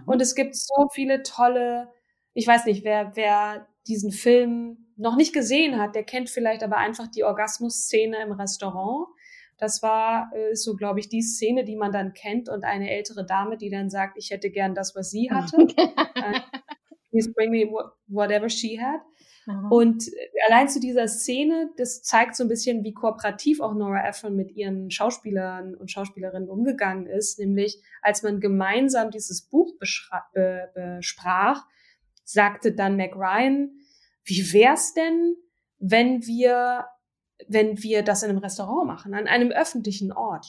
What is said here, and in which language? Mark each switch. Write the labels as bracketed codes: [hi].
[de] Und es gibt so viele tolle, ich weiß nicht, wer diesen Film noch nicht gesehen hat, der kennt vielleicht aber einfach die Orgasmus-Szene im Restaurant. Das war so, glaube ich, die Szene, die man dann kennt, und eine ältere Dame, die dann sagt, ich hätte gern das, was sie hatte. [en] Please bring me whatever she had. [de] Und allein zu dieser Szene, das zeigt so ein bisschen, wie kooperativ auch Nora Ephron mit ihren Schauspielern und Schauspielerinnen umgegangen ist. Nämlich, als man gemeinsam dieses Buch besprach, sagte dann Meg Ryan, wie wär's denn, wenn wir das in einem Restaurant machen, an einem öffentlichen Ort?